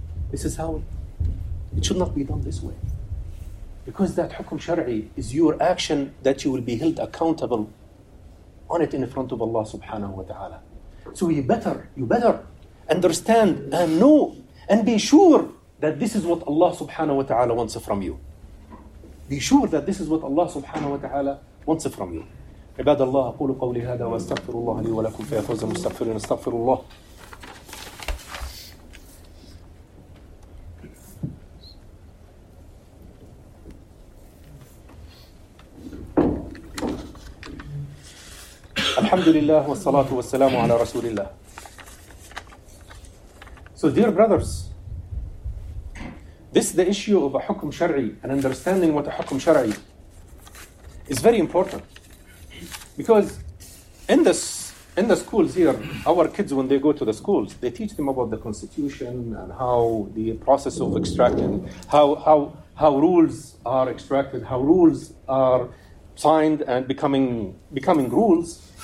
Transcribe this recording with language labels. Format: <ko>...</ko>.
<en>This is how it should not be done this way. Because that hukm shar'i is your action that you will be held accountable on it in front of Allah subhanahu wa ta'ala. So you better understand and know and be sure that this is what Allah subhanahu wa ta'ala wants from you. Be sure that this is what Allah subhanahu wa ta'ala wants from you.</en> <ar>عباد الله أقول قولي هذا وأستغفر الله لي ولكم فيا فوز المستغفرين استغفر الله الحمد لله والصلاة والسلام على رسول الله.</ar> <en>So dear brothers, this is the issue of a hukm shar'i and understanding what a hukm shar'i is very important. Because in the schools here, our kids, when they go to the schools, they teach them about the constitution and how the process of extracting, how rules are extracted, how rules are signed and becoming rules.</en>